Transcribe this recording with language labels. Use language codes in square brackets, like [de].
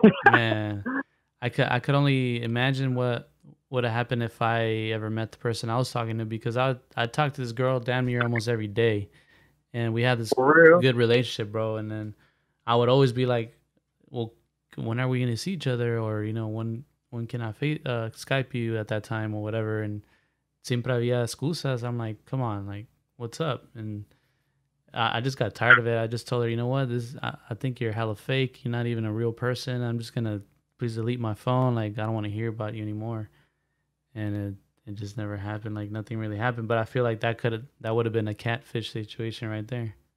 [en] Man, I could only imagine what would have happened if I ever met the person I was talking to, because I talked to this girl damn near almost every day, and we had this For real? good relationship, bro. And then I would always be like, well, when are we gonna see each other, or when can I Skype you at that time or whatever. And [es] siempre había excusas. [en] I'm like, come on, like, what's up? And I just got tired of it. I just told her, you know what, I think you're hella fake, you're not even a real person, I'm just gonna please delete my phone, like, I don't want to hear about you anymore. And it just never happened. Like, nothing really happened. But I feel like that would have been a catfish situation right there.